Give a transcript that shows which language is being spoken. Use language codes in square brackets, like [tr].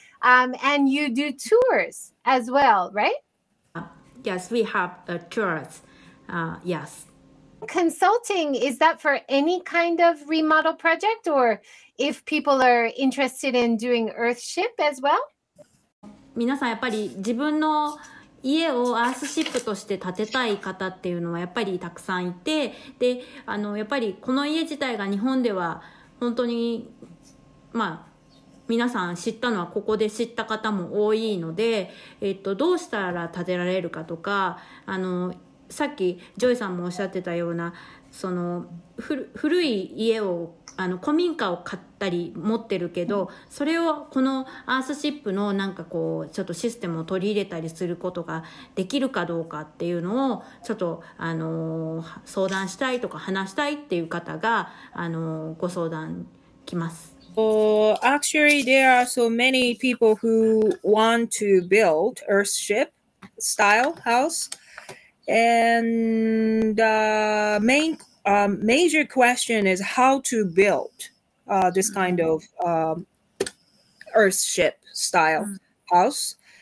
[en] And you do tours as well, right? Yes, we have the tours. Yes. Consulting, is that for any kind of remodel project or if people are interested in doing Earthship as well? [ja] 皆さんやっぱり自分の家をアースシップとして建てたい方っていうのはやっぱりたくさんいて、で、やっぱりこの家自体が日本では本当に、まあ、皆さん知ったのはここで知った方も多いので、どうしたら建てられるかとか、さっきジョイさんもおっしゃってたようなその古い家を古民家を買ったり持ってるけど、それをこのアースシップのなんかこうちょっとシステムを取り入れたりすることができるかどうかっていうのをちょっと相談したいとか話したいっていう方がご相談来ます。 [en] Well, actually, there are so many people who want to build Earthship style house. And the main, major question is how to build this kind of Earthship style house.